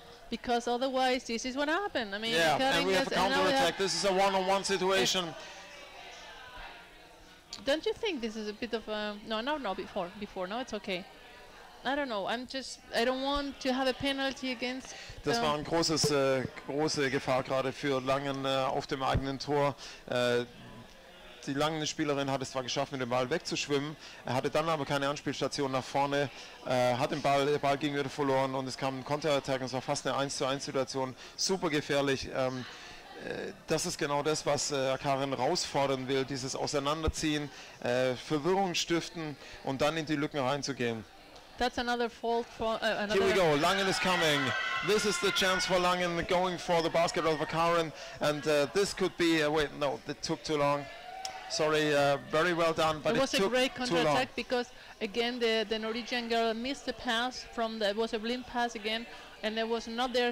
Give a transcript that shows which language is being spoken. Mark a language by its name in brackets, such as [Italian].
[English] Because otherwise, this is what happened. I mean, yeah, and we have a counterattack. This is a one-on-one situation. Don't you think this is a bit of a before? No, it's okay. I don't know. I don't want to have a penalty against. [German] Das war ein großes, große Gefahr gerade für Langen auf dem eigenen Tor. die Langen Spielerin hat es zwar geschafft, mit dem Ball wegzuschwimmen, er hatte dann aber keine Anspielstation nach vorne, hat den Ball ging wieder verloren und es kam ein Konterattack, es war fast eine 1:1 Situation, super gefährlich. Das ist genau das, was Akkaren herausfordern will, dieses Auseinanderziehen, Verwirrung stiften und dann in die Lücken reinzugehen. [English] That's another fault for another. Here we go. Langen is coming. This is the chance for Langen, going for the basket of Akkaren, and this could be. Wait, no, it took too long. Sorry. Very well done, but it took too long. It was a great counterattack because again the Norwegian girl missed the pass from the. It was a blind pass again, and it was not there.